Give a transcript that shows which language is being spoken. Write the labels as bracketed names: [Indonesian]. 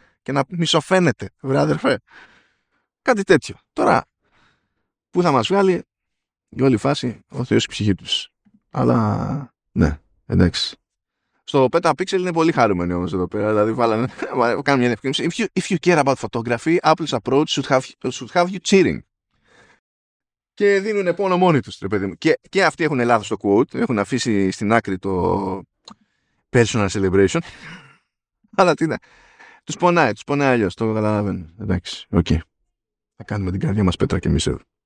[Greek] Και να μισοφαίνεται, βρε αδερφέ. Κάτι τέτοιο. Τώρα, πού θα μας βγάλει η όλη φάση, ο Θεός η ψυχή τους. Αλλά, ναι, εντάξει. Στο PetaPixel είναι πολύ χαρούμενοι όμως εδώ πέρα. Δηλαδή, κάνουμε μια διευκρίνηση. [English] If you care about photography, Apple's approach should have you cheering. [Greek] Και δίνουν πόνο μόνοι τους, ρε παιδί μου. Και αυτοί έχουν λάθος το quote. Έχουν αφήσει στην άκρη το [English] personal celebration. [Greek] Αλλά τι είναι. Τους πονάει αλλιώς. Το καταλαβαίνω. Εντάξει, οκ. Okay. Θα κάνουμε την καρδιά μας πέτρα και εμείς εδώ.